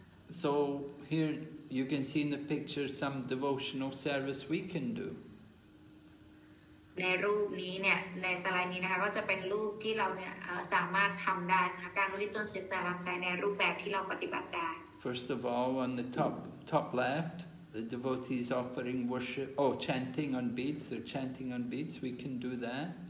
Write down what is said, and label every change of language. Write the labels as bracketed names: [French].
[English] So here you can see in the picture some devotional service we can do. [Thai] ในรูปนี้เนี่ยในสไลด์นี้นะคะก็จะเป็นรูปที่เราเนี่ยสามารถทำได้การวิจิตรศิลป์รับใช้ในรูปแบบที่เราปฏิบัติได้ [English] First of all, on the top left, the devotee is offering worship, chanting on beads, they're chanting on beads, we can do that.